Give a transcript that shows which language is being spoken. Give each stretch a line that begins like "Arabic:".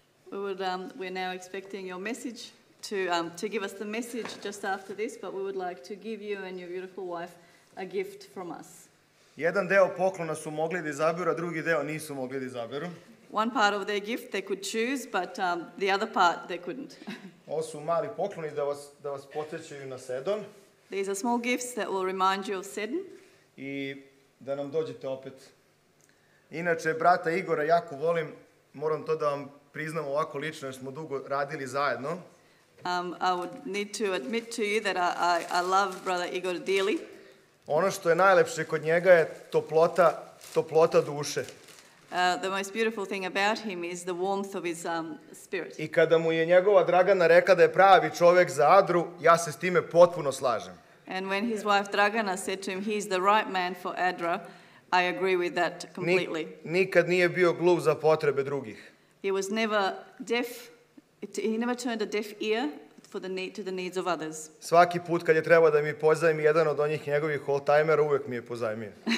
English: We're now expecting your message to give us the message just after this, but we would like to give you and your beautiful wife a gift from us.
Serbian: Jedan deo poklona su mogli da izaberu, a drugi deo nisu mogli da izaberu.
English: One part of their gift they could choose, but the other part they couldn't.
Serbian: Ovo su mali pokloni da vas podsećaju na Sedon.
English: These are small gifts that will remind you of Sedon.
Serbian: I da nam dođete opet. Inače, brata Igora jako volim, moram to da vam priznam ovako lično, jer smo dugo radili zajedno.
English: I would need to admit to you that I love brother Igor dearly.
Serbian: Ono što je najlepše kod njega je toplota duše.
English: The most beautiful thing about him is the warmth of his spirit.
Serbian: I kada mu je njegova Dragana rekla da je pravi čovjek za Adru, ja se s time potpuno slažem.
English: And when his wife Dragana said to him he's the right man for Adra, I agree with that completely.
Serbian: Nikad nije bio gluv za potrebe drugih.
English: He was never deaf. He never turned a deaf ear to the needs of others.
Serbian: Svaki put kad je trebao da mi pozajmi jedan od onih njegovih oldtimera, uvek mi je pozajmio.